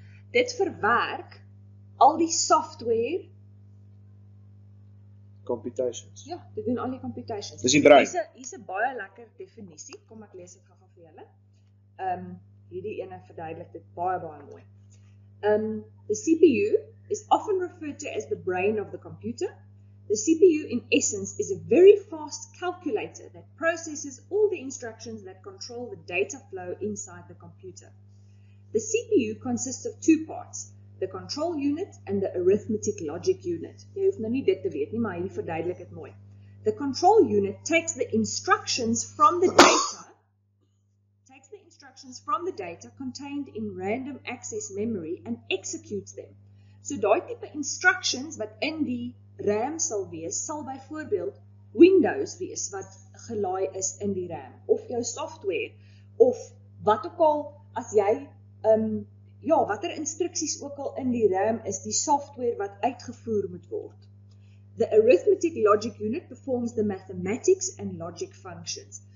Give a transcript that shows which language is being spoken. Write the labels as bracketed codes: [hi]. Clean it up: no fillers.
[af] Dit verwerk al die software. [en] Computations. [af] Ja, dit doen al die computations. Dis die brein. Hier's 'n baie lekker definisie. Kom ek lees dit gou vir julle. Hierdie ene verduidelik dit baie baie mooi. [en] The CPU is often referred to as the brain of the computer. The CPU, in essence, is a very fast calculator that processes all the instructions that control the data flow inside the computer. The CPU consists of two parts, the control unit and the arithmetic logic unit. [af] Jy hoef nou nie dit te weet nie, maar hier verduidelik dit mooi. [en] The control unit takes the instructions from the data contained in random access memory and executes them. [af] So daai tipe instructions wat in die RAM sal wees, sal byvoorbeeld Windows wees wat gelaai is in die RAM of jou software of wat ook al as jy watter instruksies ook al in die RAM is, die software wat uitgevoer moet word. [en] The arithmetic logic unit performs the mathematics and logic functions.